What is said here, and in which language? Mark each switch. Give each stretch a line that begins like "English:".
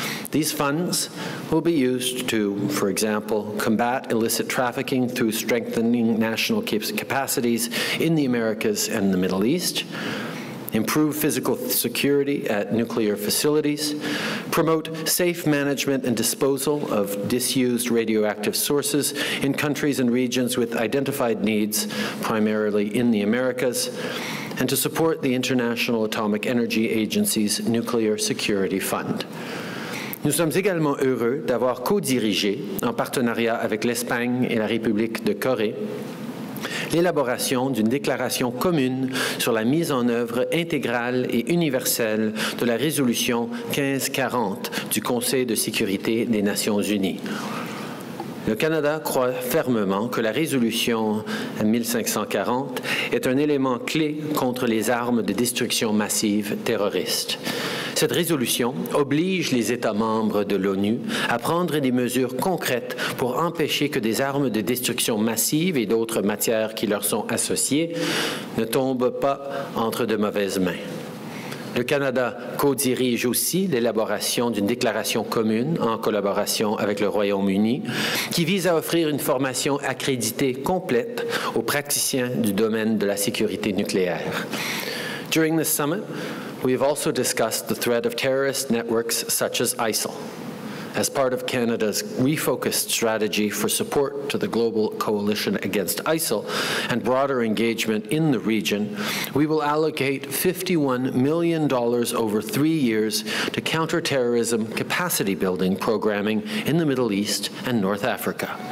English: These funds will be used to, for example, combat illicit trafficking through strengthening national capacities in the Americas and the Middle East, improve physical security at nuclear facilities, promote safe management and disposal of disused radioactive sources in countries and regions with identified needs, primarily in the Americas, and to support the International Atomic Energy Agency's Nuclear Security Fund.
French: Nous sommes également heureux d'avoir co-dirigé, en partenariat avec l'Espagne et la République de Corée, l'élaboration d'une déclaration commune sur la mise en œuvre intégrale et universelle de la résolution 1540 du Conseil de sécurité des Nations Unies. Le Canada croit fermement que la résolution 1540 est un élément clé contre les armes de destruction massive terroriste. Cette résolution oblige les États membres de l'ONU à prendre des mesures concrètes pour empêcher que des armes de destruction massive et d'autres matières qui leur sont associées ne tombent pas entre de mauvaises mains. Le Canada co-dirige aussi l'élaboration d'une déclaration commune en collaboration avec le Royaume-Uni qui vise à offrir une formation accréditée complète aux praticiens du domaine de la sécurité nucléaire.
English: During this summit, we have also discussed the threat of terrorist networks such as ISIL. As part of Canada's refocused strategy for support to the global coalition against ISIL and broader engagement in the region, we will allocate $51 million over 3 years to counterterrorism capacity building programming in the Middle East and North Africa.